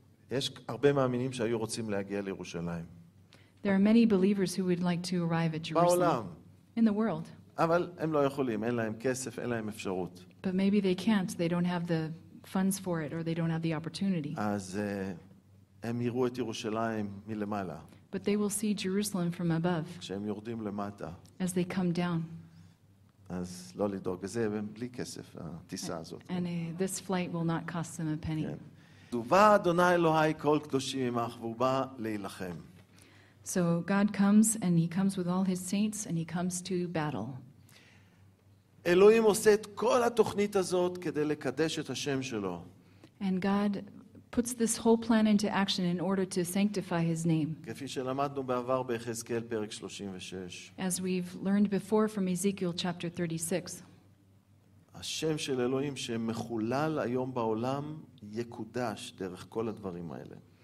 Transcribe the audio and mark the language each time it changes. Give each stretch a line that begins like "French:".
Hebrew: יש הרבה מאמינים שהיו רוצים להגיע לירושלים.
English: There are many believers who would like to arrive at Jerusalem.
Hebrew: בעולם.
English: In the world.
Hebrew: אבל הם לא יכולים, אין להם כסף, אין להם אפשרות.
English: But maybe they can't, they don't have the funds for it, or they don't have the opportunity.
Hebrew: אז הם יראו את ירושלים מלמעלה.
English: But they will see Jerusalem from above.
Hebrew: כשהם יורדים למטה.
English: As they come down.
Hebrew: אז לא לדאוג, זה בלי כסף, הטיסה הזאת.
English: And this flight will not cost them a penny.
Hebrew: ובא אדוני אלוהי כל קדושים עמך, והוא בא להילחם.
English: So God comes and he comes with all his saints and he comes to battle.
Hebrew: אלוהים עושה את כל התוכנית הזאת כדי לקדש את השם שלו.
English: And God puts this whole plan into action in order to sanctify his name.
Hebrew: כפי שלמדנו בעבר ביחזקאל פרק 36.
English: As we've learned before from Ezekiel chapter 36.
Hebrew: השם של אלוהים שמחולל היום בעולם יקודש דרך כל הדברים האלה.